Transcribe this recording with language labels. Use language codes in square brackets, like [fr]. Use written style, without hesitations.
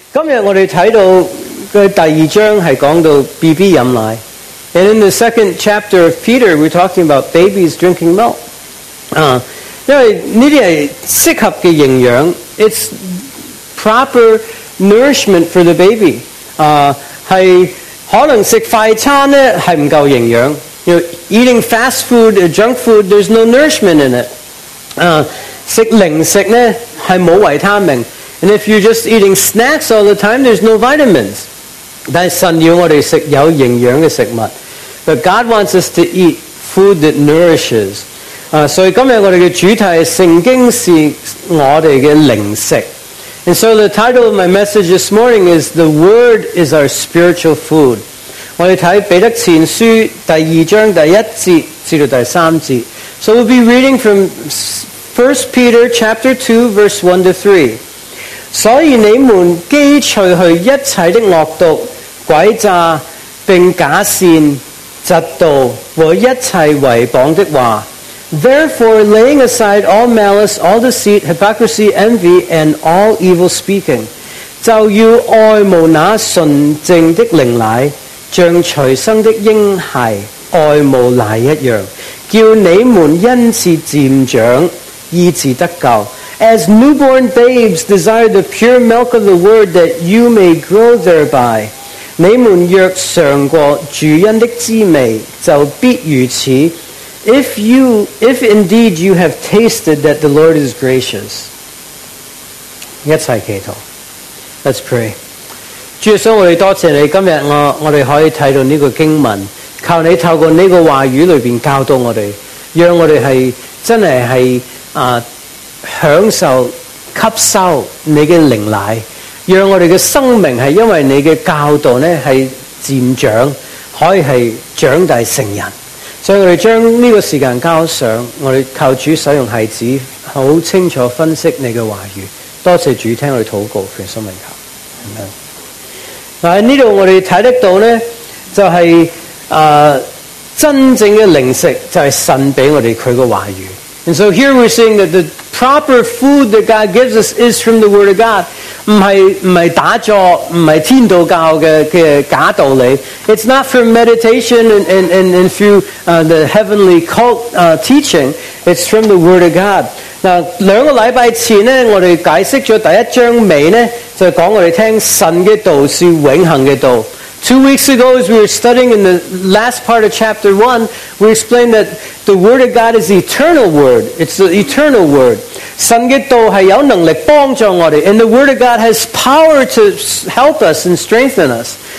[zh] 今天我们看到的第二章是讲到 BB 饮奶。 [en] And in the second chapter of Peter, we're talking about babies drinking milk. [zh] 因为这些是适合的营养 [en] It's proper nourishment for the baby. [zh] 是可能吃快餐呢是不够营养 [en] You know, eating fast food, junk food, there's no nourishment in it. [zh] 吃零食呢是没维他命。 [en] And if you're just eating snacks all the time, there's no vitamins. [zh] 但神要我们吃有营养的食物。 [en] But God wants us to eat food that nourishes. [zh] 所以今天我们的主题是圣经是我们的灵食。 [en] And so the title of my message this morning is The Word is our spiritual food. [zh] 我们看彼得前书第二章第一节至到第三节。 [en] So we'll be reading from 1 Peter chapter 2 verse 1 to 3. [zh] 所以你们既除去一切的恶毒、诡诈、并假善、嫉妒和一切诽谤的话 [en] Therefore, laying aside all malice, all deceit, hypocrisy, envy, and all evil speaking, [zh] 就要爱慕那纯正的灵奶，像随生的婴孩爱慕奶一样，叫你们因此渐长，以致得救。 [en] As newborn babes desire the pure milk of the word that you may grow thereby. [zh] 你们若尝过主恩的滋味就必如此。 [en] If indeed you have tasted that the Lord is gracious. [zh] 一起祈祷。 [en] Let's pray. [zh] 主耶稣我们多谢你今天我们可以看到这个经文靠你透过这个话语里面教导我们让我们是真的是享受吸收你的灵奶让我们的生命是因为你的教导呢是渐长可以是长大成人所以我们将这个时间交上我们靠主使用孩子很清楚分析你的话语多谢主听我们祷告奉圣名求在这里我们看得到呢就是真正的灵食就是神给我们祂的话语 [en] And so here we're seeing that the proper food that God gives us is from the Word of God. [zh] 不是打坐，不是天道教的假道理。 [en] It's not for meditation and through the heavenly cult teaching. It's from the Word of God. [zh] 两个礼拜前呢，我们解释了第一章尾呢，就讲我们听神的道是永恒的道。 [en] Two weeks ago, as we were studying in the last part of chapter 1, we explained that the Word of God is the eternal Word. It's the eternal Word. [zh] 神的道是有能力帮助我们 [en] And the Word of God has power to help us and strengthen us.